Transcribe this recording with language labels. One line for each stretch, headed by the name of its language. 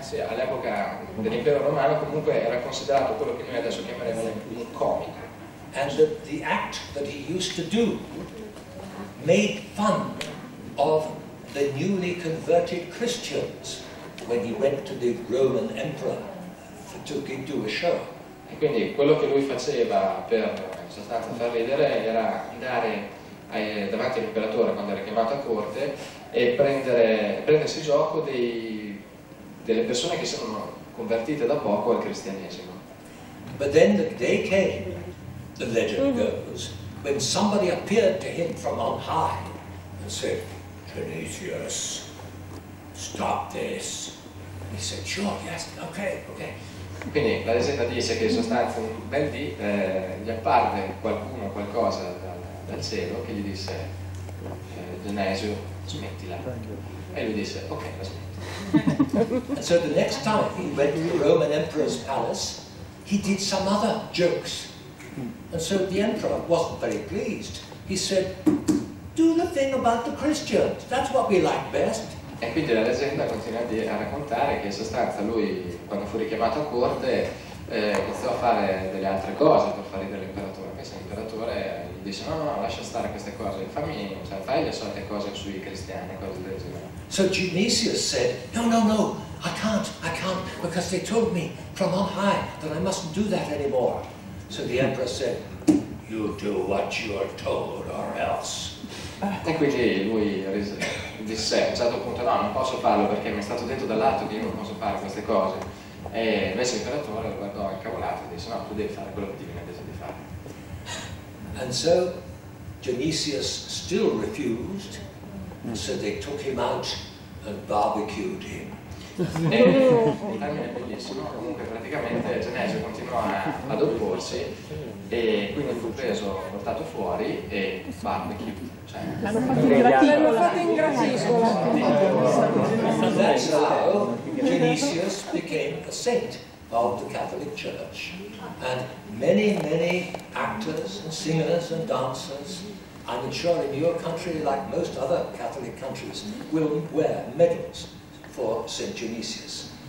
Italian: Sì, all'epoca dell'Impero Romano comunque era considerato quello che noi adesso chiameremo un comic.
English: And that the act that he used to do made fun of the newly converted Christians when he went to the Roman emperor to do a show.
Italian: E quindi quello che lui faceva per sostanza far ridere era andare davanti all'imperatore quando era chiamato a corte e prendersi gioco delle persone che si erano convertite da poco al cristianesimo.
English: But then the day came, the legend goes, when somebody appeared to him from on high and said, "Genesius, stop this." He said, "Sure, yes, okay."
Italian: Quindi la leggenda dice che in sostanza un bel dì gli apparve qualcuno, qualcosa dal cielo che gli disse, "Genesio, smettila." E lui disse, "Ok, la smetto."
English: And so the next time he went to the Roman Emperor's palace, he did some other jokes. And so the emperor wasn't very pleased. He said, "Do the thing about the Christians. That's what we like best."
Italian: E quindi la leggenda continua a raccontare che in sostanza lui, quando fu richiamato a corte, iniziò a fare delle altre cose per far ridere l'imperatore. Perché l'imperatore gli disse, no, lascia stare queste cose, fai le solite cose sui cristiani, cose del genere.
English: So Genesius said, no, I can't, because they told me from on high that I mustn't do that anymore. So the emperor said, "You do what you're told, or else."
Italian: E quindi lui disse, a un certo punto, no, non posso farlo perché mi è stato detto dall'alto che io non posso fare queste cose. E invece l'imperatore lo guardò incavolato e disse, no, tu devi fare quello che ti viene detto di fare.
English: And so Genesius still refused, and so they took him out and barbecued him.
Italian: E il termine è bellissimo, comunque praticamente Genesio continuò a ad opporsi, e quindi fu preso, portato fuori e barbecue. Cioè, l'hanno fatto in gratis. L'hanno fatto in gratis.
English: That's how Genesius became a saint of the Catholic Church. And many, many actors and singers and dancers, I'm sure in your country, like most other Catholic countries, will wear medals for St. Genesius.